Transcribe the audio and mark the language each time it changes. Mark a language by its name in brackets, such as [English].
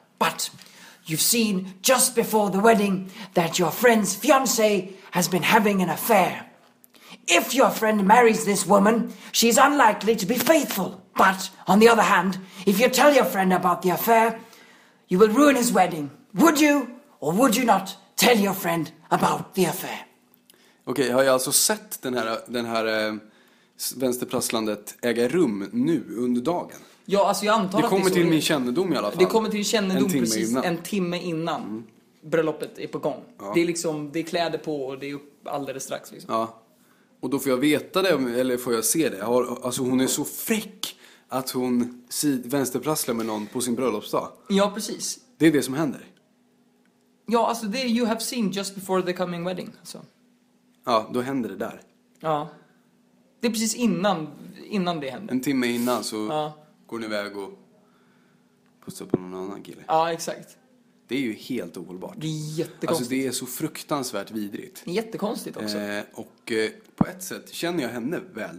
[English] But you've seen just before the wedding that your friend's fiancé has been having an affair. If your friend marries this woman, she's unlikely to be faithful. But, on the other hand, if you tell your friend about the affair, you will ruin his wedding. Would you, or would you not, tell your friend about the affair? [Swedish] Okej, har jag alltså sett den här vänsterprasslandet äga rum nu under dagen? Ja, alltså jag antar att det kommer till min kännedom i alla fall. Det kommer till kännedom precis en timme innan bröllopet är på gång. Ja. Det är liksom, det är kläder på och det är upp alldeles strax liksom. Ja. Och då får jag veta det, eller får jag se det? Alltså hon är så fräck att hon vänsterprasslar med någon på sin bröllopsdag. Ja, precis. Det är det som händer. Ja, alltså det [English] you have seen just before the coming wedding. [Swedish] Så. Ja, då händer det där. Ja. Det är precis innan det händer. En timme innan så går ni iväg och pussar på någon annan kille. Ja, exakt. Det är ju helt ohållbart. Det är jättekonstigt. Alltså det är så fruktansvärt vidrigt. Det är jättekonstigt också. Och på ett sätt känner jag henne väl.